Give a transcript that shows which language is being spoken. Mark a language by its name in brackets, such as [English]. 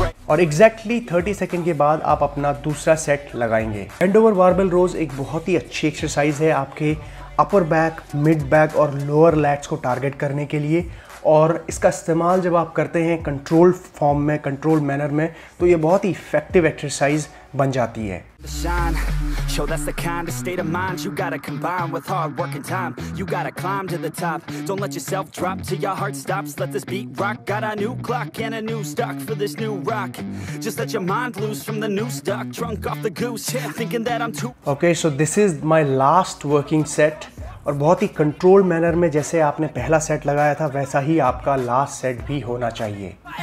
[Hindi] और exactly 30 second के बाद आप अपना दूसरा सेट लगाएंगे. बेंड ओवर बारबेल रोज एक बहुत ही अच्छी एक्सरसाइज है आपके अपर बैक, मिड बैक और लोअर लैट्स को टारगेट करने के लिए, और इसका इस्तेमाल जब आप करते हैं कंट्रोल फॉर्म में, कंट्रोल मैनर में, तो ये बहुत ही इफेक्टिव एक्सरसाइज बन जाती है. [English] Show that's the kind of state of mind you gotta combine with hard work and time. You gotta climb to the top. Don't let yourself drop till your heart stops. Let this beat rock. Got a new clock and a new stock for this new rock. Just let your mind loose from the new stock. Drunk off the goose, thinking that I'm too. Okay, so this is my last working set. [Hindi] और बहुत ही control manner में जैसे आपने पहला set लगाया था वैसा ही आपका लास्ट सेट भी होना चाहिए.